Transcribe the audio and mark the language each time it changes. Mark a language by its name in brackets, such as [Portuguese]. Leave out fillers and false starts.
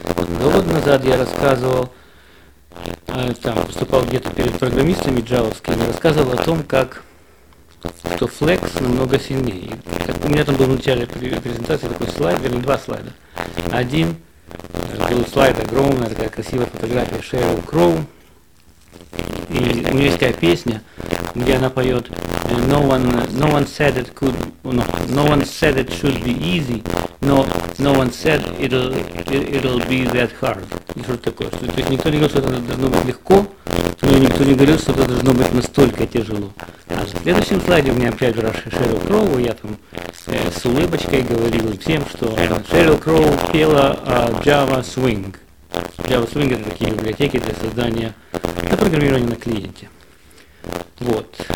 [Russian] Два года назад я рассказывал, там, выступал где-то перед программистами джавовскими, рассказывал о том, как что Flex намного сильнее. Так, у меня там был в начале презентации такой слайд, вернее, два слайда. Один был слайд огромный, такая красивая фотография Шерил Кроу. И у нее есть такая песня, где она поет [English] No one said it should be easy, no one said it'll be that hard. [Russian] И что-то такое. То есть никто не говорил, что это должно быть легко, никто не говорил, что это должно быть настолько тяжело. А в следующем слайде у меня опять же Шерил Кроу, я там с улыбочкой говорил всем, что Шерил Кроу пела Java Swing. Java Swing – это такие библиотеки для создания, для программирования на клиенте. Вот.